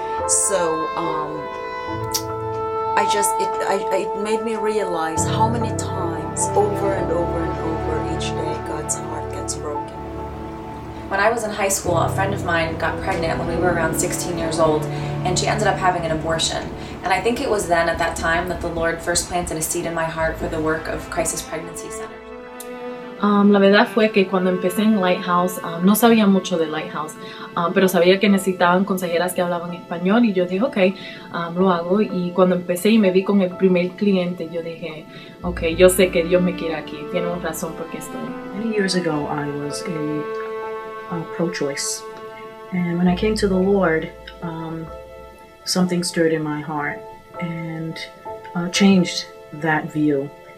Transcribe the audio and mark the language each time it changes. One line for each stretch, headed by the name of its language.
English: So it made me realize how many times over and over and over each day God's heart gets broken. When I was in high school, a friend of mine got pregnant when we were around 16 years old, and she ended up having an abortion. And I think it was then at that time that the Lord first planted a seed in my heart for the work of Crisis Pregnancy Center.
Spanish: La verdad fue que cuando empecé en Lighthouse, no sabía mucho de Lighthouse, pero sabía que necesitaban consejeras que hablaban español y yo dije, ok, lo hago. Y cuando empecé y me vi con el primer cliente, yo dije, ok, yo sé que Dios me quiere aquí, tiene una razón por qué estoy.
English: Many years ago, I was a pro-choice. And when I came to the Lord, something stirred in my heart and changed that view.